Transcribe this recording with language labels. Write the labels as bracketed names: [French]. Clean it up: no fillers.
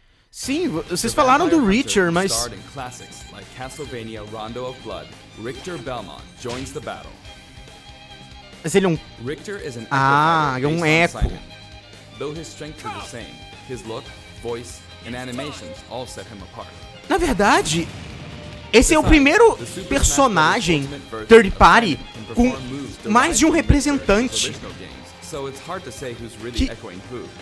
[Portuguese] Sim, vocês falaram do Reacher, mas... [English] Starred in classics like Castlevania Rondo of Blood, Richter Belmont joins the battle. [Portuguese] Mas ele é um... [English] Richter is an echo fighter based on Simon. Though his strengths are the same, his look, voice, and animations all set him apart. [Portuguese] Na verdade, esse é o primeiro personagem third party com mais de um representante. [English] So it's hard to say who's really echoing who.